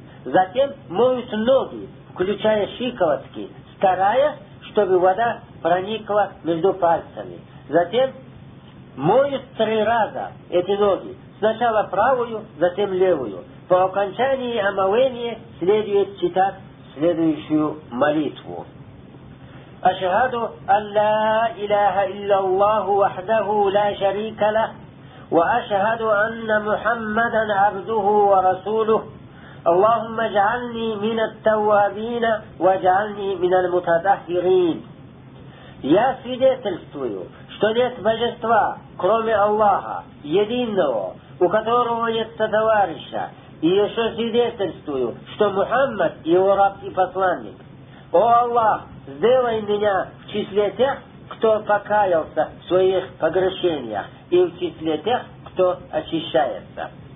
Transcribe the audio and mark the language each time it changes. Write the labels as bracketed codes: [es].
[ru] Затем моют ноги, включая щиколотки, стараясь, чтобы вода проникла между пальцами. Затем моют 3 раза эти ноги. Сначала правую, затем левую. По окончании омовения следует читать следующую молитву. [ar] أشهد أن لا إله إلا الله وحده لا شريك له، وأشهد أن محمدا عبده ورسوله. اللهم اجعلني من التوابين واجعلني من المتطهرين. [ru] Я свидетельствую, что нет божества, кроме Аллаха, единого, у которого нет сотоварища, и еще свидетельствую, что Мухаммад – его раб и посланник. О Аллах, сделай меня в числе тех, кто покаялся в своих погрешениях, и в числе тех, кто очищается.